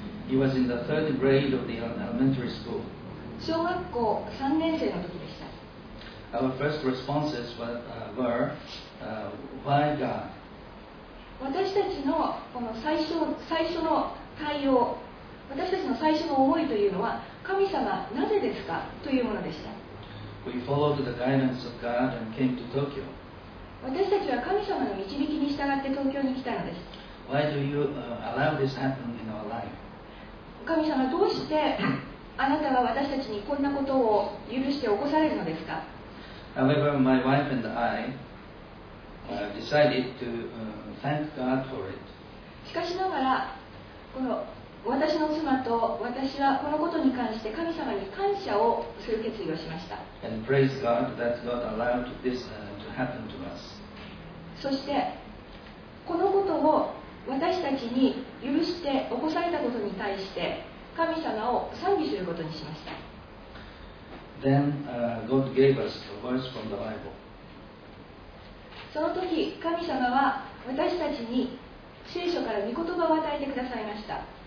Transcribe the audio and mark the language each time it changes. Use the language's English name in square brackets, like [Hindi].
[English] He was in the third grade of the elementary school. [Japanese] 小学校3年生の時でした。 [English] Our first responses were, why God? [Japanese] 私たちのこの最初の対応、私たちの最初の思いというのは、神様なぜですかというものでした。 [English] We followed the guidance of God and came to Tokyo. [Japanese] 私たちは神様の導きに従って東京に来たのです。 [English] Why do you allow this happen in our life? [Japanese] 神様、どうしてあなたは私たちにこんなことを許して起こされるのですか。 [English] However, my wife and I decided to thank God for it. [Japanese] しかしながら、この私の妻と私はこのことに関して神様に感謝をする決意をしました。 [English] And praise God that God allowed this to happen to us. [Japanese] そしてこのことを私たちに許して起こされたことに対して神様を賛美することにしました。 [English] Then, God gave us a verse from the Bible. [Japanese] その時神様は私たちに聖書から御言葉を与えてくださいました。